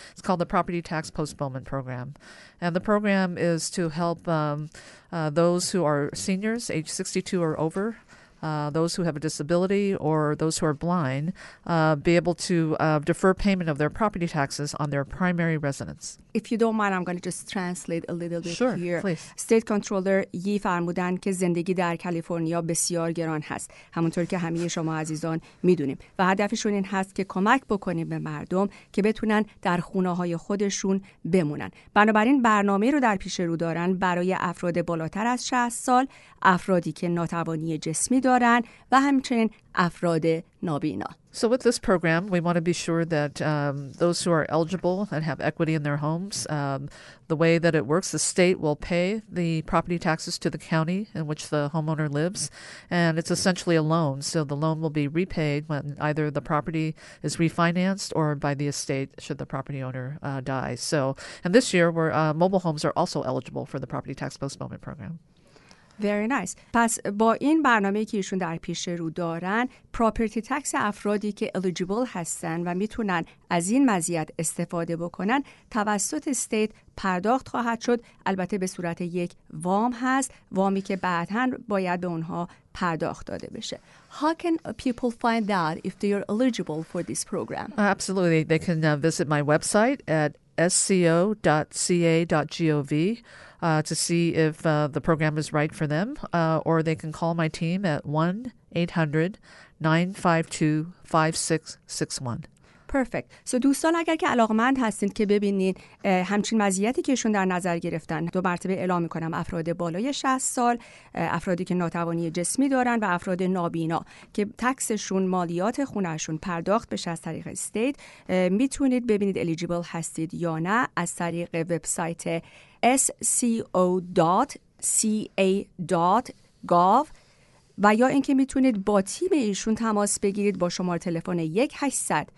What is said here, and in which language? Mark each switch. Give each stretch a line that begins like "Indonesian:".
English: It's called the Property Tax Postponement Program. And the program is to help those who are seniors, age 62 or over, those who have a disability or those who are blind, be able to defer payment of their property taxes on their primary residence. If you don't mind, I'm going to just translate a little bit sure, here. Please.
Persian: State controller یی فرمودن که زندگی در کالیفرنیا بسیار گران هست. همونطور که همه شما عزیزان میدونیم. و هدفشون این هست که کمک بکنیم به مردم که بتونن در خونه‌های خودشون بمونن. بنابراین برنامه رو در پیش رو دارن برای افراد بالاتر از 60 سال، افرادی که ناتوانی جسمی دارن و همچنین افراد نابینا.
English: So with this program, we want to be sure that those who are eligible and have equity in their homes, the way that it works, the state will pay the property taxes to the county in which the homeowner lives, and it's essentially a loan. So the loan will be repaid when either the property is refinanced or by the estate should the property owner die. So, and this year, we're mobile homes are also eligible for the property tax postponement program. Very nice.
Persian: پس با این برنامه که ایشون در پیش رو دارن، پراپرتی تکس افرادی که eligible هستن و میتونن از این مزیت استفاده بکنن، توسط استیت پرداخت خواهد شد. البته به صورت یک وام هست، وامی که بعداً باید به اونها پرداخت داده بشه.
English: How can people find out if they are eligible for this program? Absolutely. They can visit my website at sco.ca.gov to see if the program is right for them, or they can call my team at 1-800-952-5661. Perfect.
Persian: So دوستان اگر که علاقمند هستین که ببینین همچین مزیتی که ایشون در نظر گرفتن، دو مرتبه اعلام میکنم، افراد بالای 60 سال، افرادی که ناتوانی جسمی دارن و افراد نابینا که تکسشون، مالیات خونهشون پرداخت بشه از طریق استیت، میتونید ببینید الیجیبل هستید یا نه از طریق وبسایت sco.ca.gov، و یا اینکه میتونید با تیم ایشون تماس بگیرید با شماره تلفن 1-800-952-5661.